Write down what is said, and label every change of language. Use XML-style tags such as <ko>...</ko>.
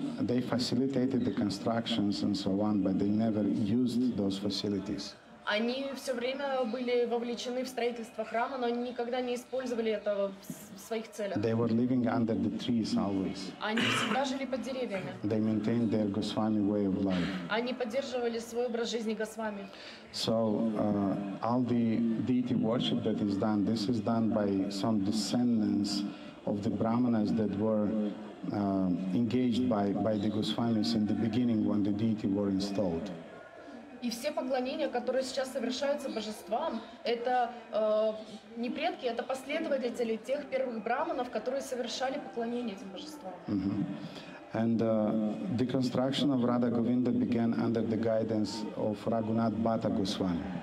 <en>They facilitated the constructions and so on, but they never used those facilities.</en> <ru>Они все время были вовлечены в строительство храма, но они никогда не использовали это в своих целях.</ru> <en>They were living under the trees always.</en> <ru>Они всегда жили под деревьями.</ru> <en>They maintained their Goswami way of life.</en> <ru>Они поддерживали свой образ жизни Госвами.</ru> <en>So all the deity worship that is done, this is done by some descendants of the brahmanas that were engaged by the Goswamis in the beginning when the deity were installed.</en> <ru>И все поклонения, которые сейчас совершаются божествам, это не предки, это последователи тех первых брахманов, которые совершали поклонение этим божествам.</ru> <en>And the construction of Radha Govinda began under the guidance of Raghunath Bhatta Goswami.</en>